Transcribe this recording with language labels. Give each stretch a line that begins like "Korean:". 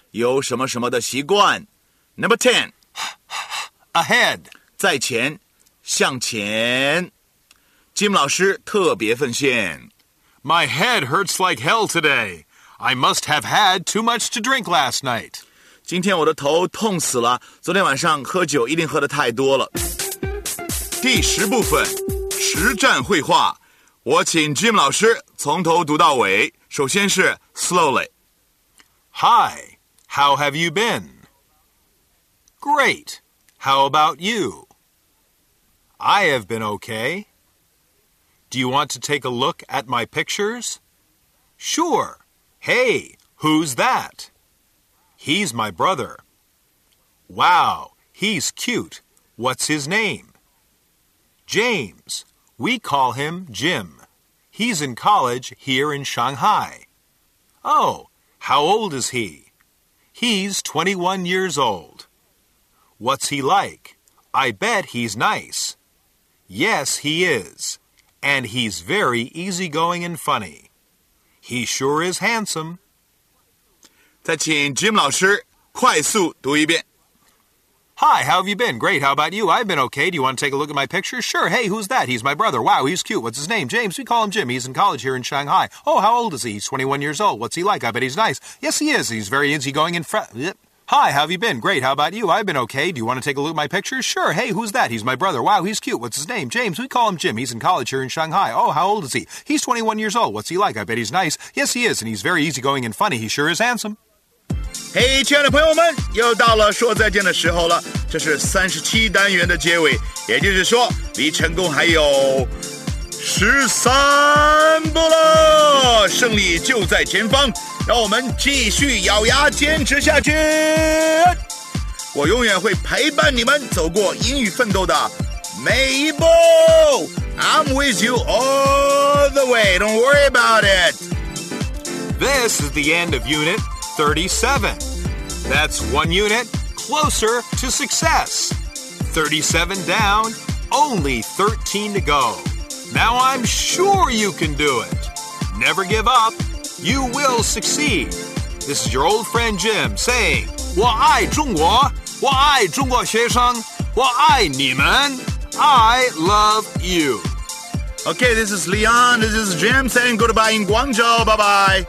Chinese: 有什么什么的习惯.
English: Number 10. Ahead.
Chinese: 在前.向前.Jim 老师特别奉献。
English: My head hurts like hell today. I must have had too much to drink last night.
Chinese: 今天我的头痛死了，昨天晚上喝酒一定喝得太多了。第十部分，实战绘画，我请 Jim 老师从头读到尾。首先是 slowly.
English: Hi, how have you been? Great, how about you? I have been okay. Do you want to take a look at my pictures? Sure. Hey, who's that? He's my brother. Wow, he's cute. What's his name? James. We call him Jim. He's in college here in Shanghai. Oh, how old is he? He's 21 years old. What's he like? I bet he's nice. Yes, he is. And he's very easygoing and funny. He sure is handsome.
Chinese: 再请 Jim 老师快速读一遍。
English: Hi, how have you been? Great, how about you? I've been okay. Do you want to take a look at my picture? Sure. Hey, who's that? He's my brother. Wow, he's cute. What's his name? James. We call him Jim. He's in college here in Shanghai. Oh, how old is he? He's 21 years old. What's he like? I bet he's nice. Yes, he is. He's very easygoing and friendly. Yep. Hi, how have you been? Great, how about you? I've been okay. Do you want to take a look at my pictures? Sure. Hey, who's that? He's my brother. Wow, he's cute. What's his name? James. We call him Jim. He's in college here in Shanghai. Oh, how old is he? He's 21 years old. What's he like? I bet he's nice. Yes, he is. And he's very easygoing and funny. He sure is handsome.
Chinese: Hey, 亲爱的朋友们，又到了说再见的时候了。这是37单元的结尾，也就是说离成功还有13步了，胜利就在前方，让我们继续咬牙坚持下去。我永远会陪伴你们走过英语奋斗的每一步。
English: I'm with you all the way, don't worry about it. This is the end of unit 37. That's one unit closer to success. 37 down, only 13 to go. Now I'm sure you can do it. Never give up. You will succeed. This is your old friend Jim saying,
Chinese: 我爱中国，我爱中国学生，我爱你们，
English: I love you. Okay, this is Leon. This is Jim saying goodbye in Guangzhou. Bye-bye.